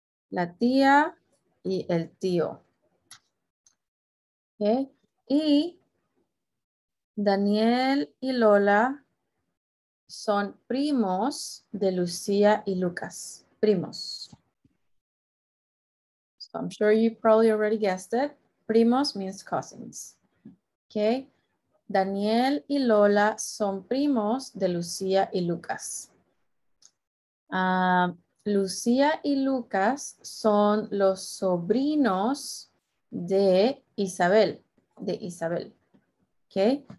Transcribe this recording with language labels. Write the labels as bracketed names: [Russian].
[Spanish] La tía y el tío. Okay. Y Daniel y Lola son primos de Lucía y Lucas. Primos. [English] So I'm sure you probably already guessed it. Primos means cousins. Okay. [Spanish] Daniel y Lola son primos de Lucía y Lucas. Lucía y Lucas son los sobrinos de Isabel. De Isabel. Okay.